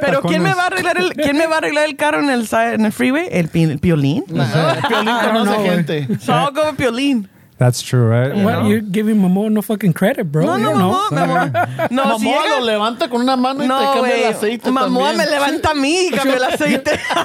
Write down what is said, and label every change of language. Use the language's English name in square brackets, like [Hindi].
[Spanish] ¿Pero quién me va a arreglar el carro en el freeway? ¿El Piolín? El Piolín conoce gente. [English] So I'll go with Piolín. That's true, right? What, you give him Momoa no fucking credit, bro. No, Momoa. No, [Spanish] Momoa si llega, lo levanta con una mano y no, te cambia el aceite. Momoa también. Me levanta a mí y cambia el aceite.